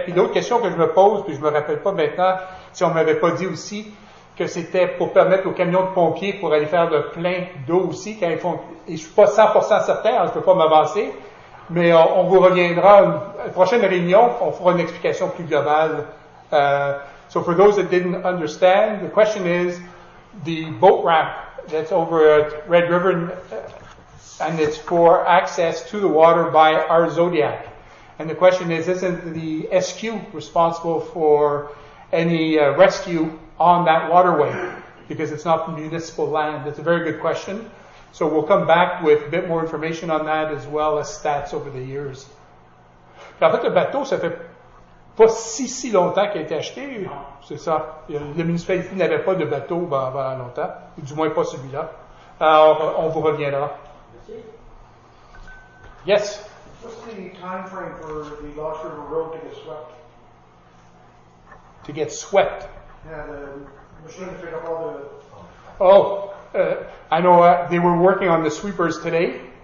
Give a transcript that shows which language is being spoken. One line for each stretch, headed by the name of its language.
French: Puis l'autre question que je me pose, puis je me rappelle pas maintenant, si on m'avait pas dit aussi que c'était pour permettre aux camions de pompiers pour aller faire le plein d'eau aussi, quand ils font, et je suis pas 100% certain, je peux pas m'avancer, mais on vous reviendra à une prochaine réunion, on fera une explication plus globale.
English: So for those that didn't understand, the question is, the boat ramp that's over at Red River, and it's for access to the water by our Zodiac. And the question is, isn't the SQ responsible for any rescue on that waterway, because it's not municipal land? That's a very good question. So we'll come back with a bit more information on that, as well as stats over the years.
French: Puis en fait, le bateau, ça fait pas si longtemps qu'il a été acheté. C'est ça. La municipalité n'avait pas de bateau avant longtemps, ou du moins pas celui-là. Alors, on vous reviendra. Merci.
English: Yes? What's the time frame for the Lost River Road to get swept? To get swept? Yeah, the machine figured out all the... Oh, I know they were working on the sweepers today.